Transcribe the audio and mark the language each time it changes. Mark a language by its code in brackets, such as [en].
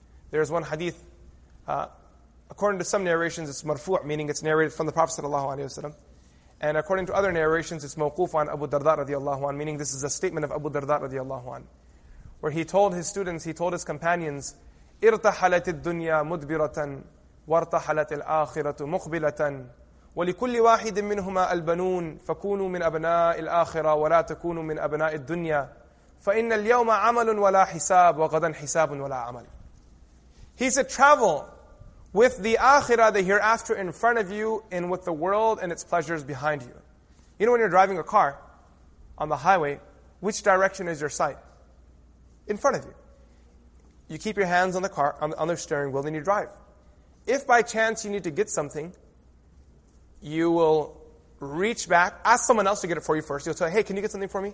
[en] There's one hadith, according to some narrations, it's marfu', meaning it's narrated from the Prophet sallallahu alaihi wasallam. And according to other narrations, it's mawquf on Abu Darda radiallahu anhu, meaning this is a statement of Abu Darda radiallahu anhu, where he told his companions, [ar] irtahalatid dunya mudbiratan, wartahalatil akhiratu muqbilatan, ولكل واحد منهما البنون فكونوا من أبناء الآخرة ولا تكونوا من أبناء الدنيا فإن اليوم عمل ولا حساب وغدا حساب ولا عمل. [en] He said, travel with the akhirah, the hereafter, in front of you, and with the world and its pleasures behind you. You know, when you're driving a car on the highway, which direction is your sight? In front of you. You keep your hands on the car, on the steering wheel, and you drive. If by chance you need to get something, you will reach back, ask someone else to get it for you first. You'll say, hey, can you get something for me?